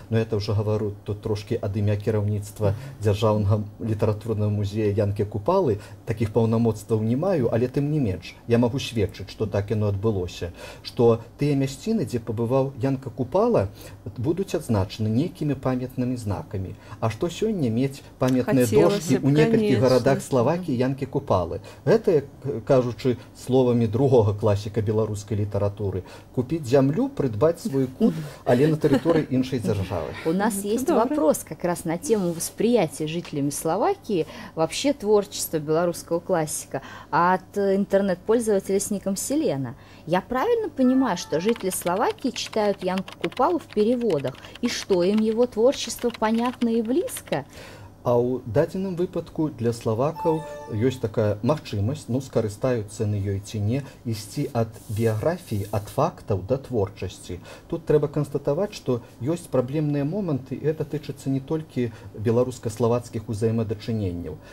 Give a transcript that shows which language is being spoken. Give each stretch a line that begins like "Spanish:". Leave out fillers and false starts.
Belarusian: Ну, я ўжо гавару тут трошкі ад імя кіраўніцтва дзяржаўнага літаратурнага музея Янкі Купалы, такіх паўнамоцтваў не маю, але тым не менш, я магу сведчыць, што так яно адбылося, што тыя мясціны, дзе пабываў Янка Купала, будуць адзначаны нейкімі памятнымі знакамі. А што сёння мець памятныя дошкі ў некалькіх гарадах Славакі Янкі Купалы. Гэта, кажучы словамі другога класіка беларускай літаратуры, купіць зямлю, прыдбаць свой кут, але на тэрыторыі іншай дзяржавы. У нас ёсць
Russian: вопрос как раз на тему восприятия жителями Славакии вообще творчества беларускаго класіка от интернет-пользователя с ником Селена. Я правильно понимаю, что жители Славакии читают Янку Купалу в переводах, и что им его творчество понятно и близко?
Belarusian: А ў дадзеным выпадку для славакаў ёсць такая магчымасць, ну, скарыстаюцца на ёй ці не, ісці ад біяграфіі, ад фактаў да творчасці. Тут трэба канстатаваць, што ёсць праблемныя моманты, і гэта тычыцца не толькі беларуска-славацкіх узаемадачыненняў.